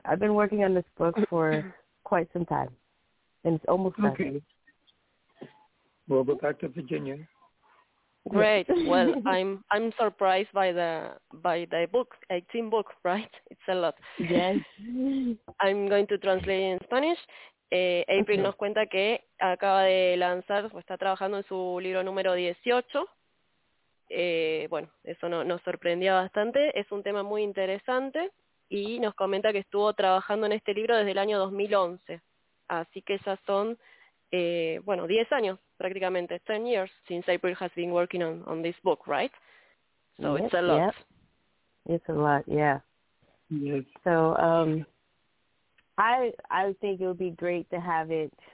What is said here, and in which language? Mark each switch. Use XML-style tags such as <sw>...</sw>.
<en>I've been working on this book for quite some time. And it's almost done. Okay. We'll go back to Virginia. Great. Well, I'm surprised by the book, 18 books, right? It's a lot. Yes. I'm going to translate in Spanish.</en> <es>April nos cuenta que acaba de lanzar o está trabajando en su libro número 18. Bueno, eso no, nos sorprendía bastante. Es un tema muy interesante y nos comenta que estuvo trabajando en este libro desde el año 2011. Así que ya son, 10 años prácticamente,</es> <en>10 years since April has been working on this book, right? So yep, it's a lot. Yep. It's a lot, yeah. Yes. So, I think it would be great to have it.</en>